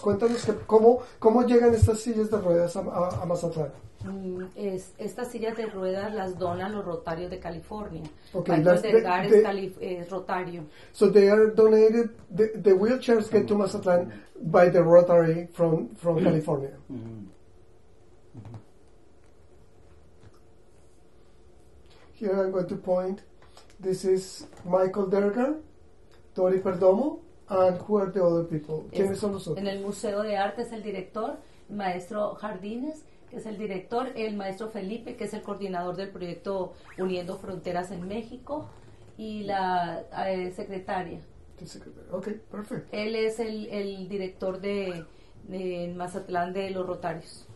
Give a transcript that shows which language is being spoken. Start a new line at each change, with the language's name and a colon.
Spanish: Cuéntanos que cómo llegan estas sillas de ruedas a Mazatlán. Estas sillas de ruedas las donan los Rotarios de California. Okay, Rotario.
English: So they are donated. The wheelchairs get to Mazatlán by the Rotary from California. Here I'm going to point. This is Michael Dergar, Dory Perdomo, and who are the other people?
Spanish: ¿Quiénes son los otros? En el Museo de Arte es el director, Maestro Jardines, que es el director, el Maestro Felipe, que es el coordinador del proyecto Uniendo Fronteras en México, y la secretaria.
English: The secretary. Okay, perfect.
Spanish: Él es el director de Mazatlán de los Rotarios.